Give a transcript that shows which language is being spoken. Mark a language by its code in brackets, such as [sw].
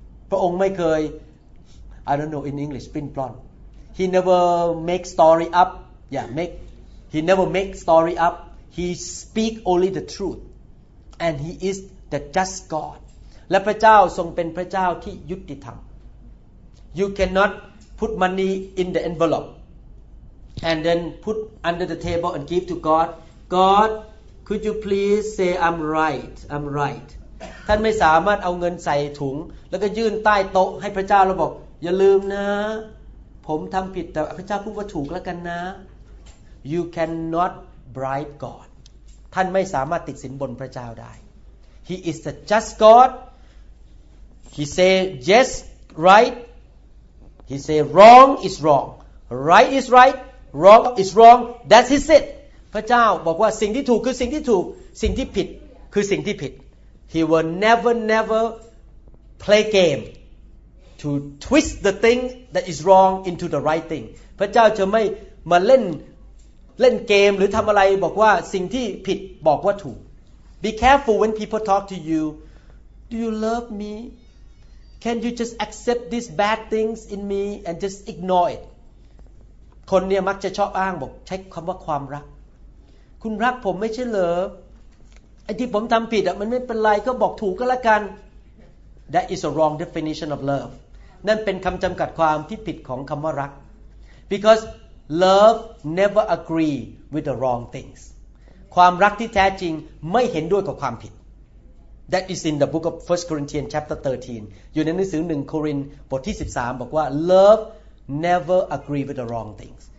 [th] พระองค์ไม่เคย [en] I don't know in English [th] ปิ้นปล้อน [en] He never make story up Yeah make He never make story up He speak only the truth And he is the just God [th] และพระเจ้าทรงเป็นพระเจ้าที่ยุติธรรม [en] You cannot put money in the envelopeAnd then put under the table and give to God. God, could you please say I'm right? I'm right. [th] ท่านไม่สามารถเอาเงินใส่ถุงแล้วก็ยื่นใต้โต๊ะให้พระเจ้าแล้วบอกอย่าลืมนะผมทำผิดแต่พระเจ้าพูดว่าถูกแล้วกันนะ [en] You cannot bribe God. [th] ท่านไม่สามารถติดสินบนพระเจ้าได้ [en] He is the just God. He say yes, right. He say wrong is wrong. Right is right. Wrong is wrong. That is it. [th] พระเจ้าบอกว่าสิ่งที่ถูกคือสิ่งที่ถูกสิ่งที่ผิดคือสิ่งที่ผิด [en] He will never, never play game to twist the thing that is wrong into the right thing. [th] พระเจ้าจะไม่มาเล่นเกมหรือทำอะไรบอกว่าสิ่งที่ผิดบอกว่าถูก [en] Be careful when people talk to you. Do you love me? Can you just accept these bad things in me and just ignore it? [th] คนเนี่ยมักจะชอบอ้างบอกใช้คำว่าความรักคุณรักผมไม่ใช่เหรอไอ้ที่ผมทำผิดอ่ะมันไม่เป็นไรก็บอกถูกก็แล้วกัน [en] That is a wrong definition of love [th] นั่นเป็นคำจำกัดความที่ผิดของคำว่ารัก [en] Because love never agree with the wrong things [th] ความรักที่แท้จริงไม่เห็นด้วยกับความผิด [en] That is in the book of 1 Corinthians chapter 13 [th] อยู่ในหนังสือ1โครินธ์บทที่13บอกว่า [en] loveNever agree with the wrong things.